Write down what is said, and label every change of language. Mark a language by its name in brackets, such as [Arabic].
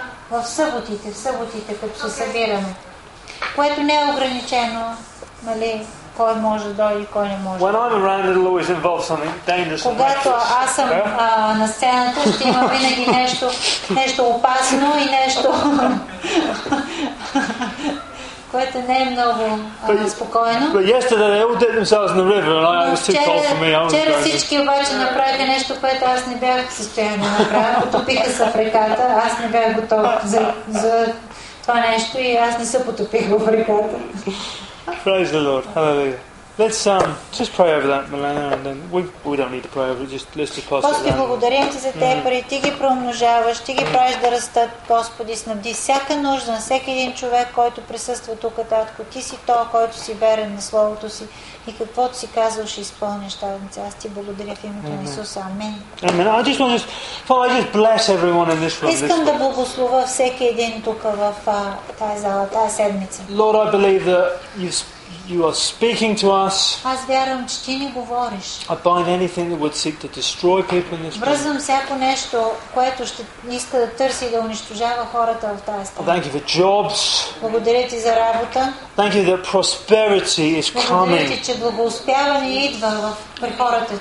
[Bulgarian] В съботите, като се събираме, което не е ограничено, нали? Кой може да дойде и кой не може. [English] When I'm around, it'll always involve something dangerous. [Bulgarian] Когато аз съм на сцената, ще има винаги нещо опасно и нещо, което не е много спокойно. [English] But yesterday they all dipped themselves in the river and I was too cold for me. [Bulgarian] Вчера всички обаче направиха нещо, което аз не бях в състояние да направя. Потопиха се в реката, аз не бях готов за това нещо и аз не се потопих в реката. [English] Praise the Lord. Hallelujah. Let's just pray over that, Milena, and then we don't need to pray over it. Let's just pass it down. [Bulgarian] Господи, благодарим ти за те пари. Ти ги промножаваш, ти ги правиш да растат. Господи, снабди всяка нужда на всеки един човек, който присъства тук, татко. Ти си то, който си верен на Словото си. И каквото си казал, ще изпълниш тази. Аз ти благодаря в името на Исус. Амин. [English] Amen. I just bless everyone in this room. [Bulgarian] Искам да благословя всеки един тук в тази зала, тази седмица. [English] Lord, I believe that you are speaking to us. [Bulgarian] Аз вярвам, че ти ни говориш. [English] I bind anything that would seek to destroy people in this room. [Bulgarian] Връзвам всяко нещо, което ще иска да търси да унищожава хората в тази страна. [English] Thank you for jobs. [Bulgarian] Благодаря ти за работа. [English] Thank you that prosperity is coming. [Bulgarian] Благодаря ти, че благоуспяване идва при хората.